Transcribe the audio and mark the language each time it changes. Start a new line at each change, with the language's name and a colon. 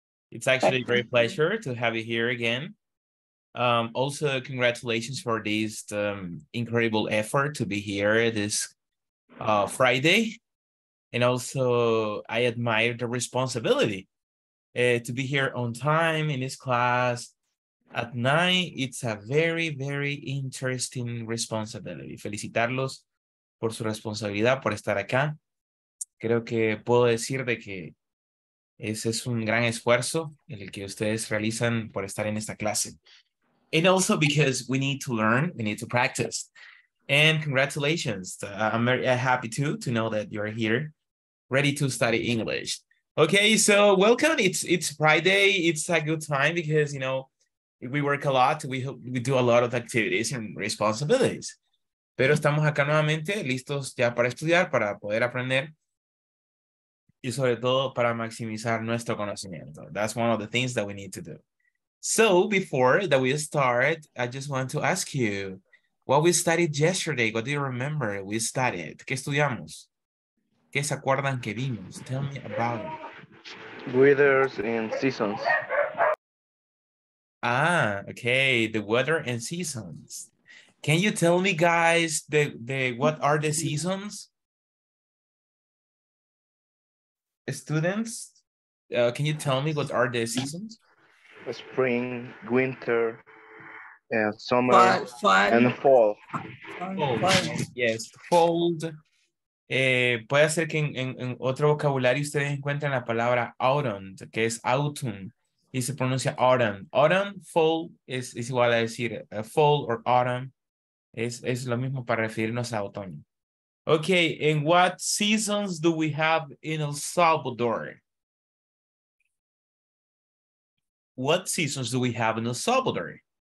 English: It's actually a great pleasure to have you here again. Also, congratulations for this incredible effort to be here this Friday. And also, I admire the responsibility to be here on time in this class. At night, it's a very, very interesting responsibility.
Spanish: Felicitarlos por su responsabilidad, por estar acá. Creo que puedo decir de que ese es un gran esfuerzo el que ustedes realizan por estar en esta clase.
English: And also because we need to learn, we need to practice. And congratulations. I'm very happy to know that you're here, ready to study English. Okay, so welcome. It's Friday. It's a good time because, you know, we work a lot, we do a lot of activities and responsibilities.
Spanish: Pero estamos acá nuevamente, listos ya para estudiar, para poder aprender, y sobre todo para maximizar nuestro conocimiento.
English: That's one of the things that we need to do. So before that we start, I just want to ask you, what we studied yesterday, what do you remember we studied?
Spanish: ¿Qué estudiamos? ¿Qué se acuerdan que vimos?
English: Tell me about it. Withers and seasons. Ah, okay, the weather and seasons. Can you tell me, guys, the what are the seasons? Students, can you tell me what are the seasons? Spring, winter, summer, fun. And fall. Yes, fall.
Spanish: Puede ser que en otro vocabulario ustedes encuentren la palabra autumn, que es autumn. Y se pronuncia autumn. Autumn, fall, es igual a decir
English: fall or autumn.
Spanish: Es lo mismo para referirnos a otoño.
English: Okay, and what seasons do we have in El Salvador? What seasons do we have in El Salvador?